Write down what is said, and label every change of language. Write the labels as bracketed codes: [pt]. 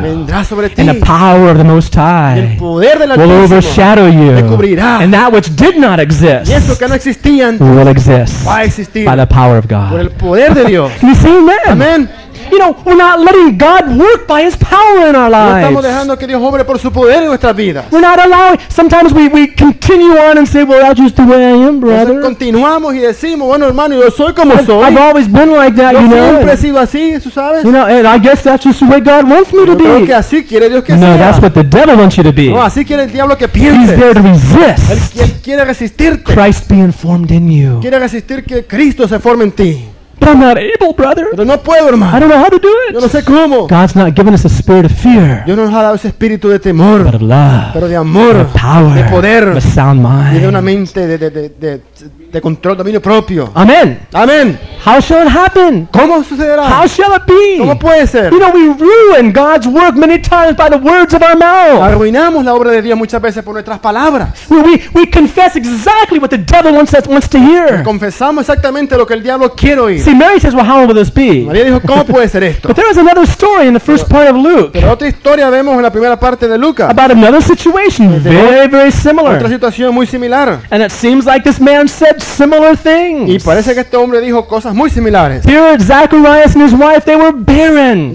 [es] Vendrá sobre ti. [en] And the power of the Most High, [es] el poder del [en] Altísimo, will overshadow you. [es] Te cubrirá. [en] And that which did not exist, [es] y eso que no existía antes, [en] will exist. [es] Va a existir. [en] By the power of God. [es] Por el poder de Dios. [en] You see, amen. [es] Amen. [en] You know, we're not letting God work by his power in our lives. [es] No estamos dejando que Dios obre por su poder en nuestras vidas. [en] We're not allowing. Sometimes we continue on and say, well, that's just the way I am, brother. [es] Nosotros continuamos y decimos, bueno, hermano, yo soy como soy. [en] I've always been like that, [es] yo [en] you know. [es] Yo siempre he sido así, ¿tú sabes? [en] You know, and I guess that's just the way God wants me [es] yo [en] to be. [es] Creo que así quiere Dios que no, sea. [en] No, that's what the devil wants you to be. [es] No, así quiere el diablo que pienses. [en] He's there to resist. [es] Él quiere resistirte. [en] Christ being formed in you. [es] Quiere resistir que Cristo se forme en ti. [en] But I'm not able, brother. [es] Pero no puedo, hermano. [en] I don't know how to do it. [es] Yo no sé cómo. [en] God's not given us a spirit of fear. [es] Dios no nos ha dado ese espíritu de temor. [en] But of love. [es] Pero de amor. [en] Of power. [es] De poder. [en] Of a sound mind. [es] Y de una mente de control, dominio propio. [en] Amen. [es] Amen. [en] How shall it happen? [es] ¿Cómo sucederá? [en] How shall it be? [es] ¿Cómo puede ser? [en] You know, we ruin God's work many times by the words of our mouth. [es] Arruinamos la obra de Dios muchas veces por nuestras palabras. [en] We confess exactly what the devil wants to hear. [es] Confesamos exactamente lo que el diablo quiere oír. [en] See, Mary says, well, how will this be? [es] María dijo, ¿cómo puede ser esto? [en] But there is another story in the first part of Luke. [es] Pero otra historia vemos en la primera parte de Lucas. [en] About another situation, very, very similar. [es] Otra situación muy similar. [en] And it seems like this man said similar things. [es] Y parece que este hombre dijo cosas muy similares. [en] Here, Zacharias and his wife, they were barren.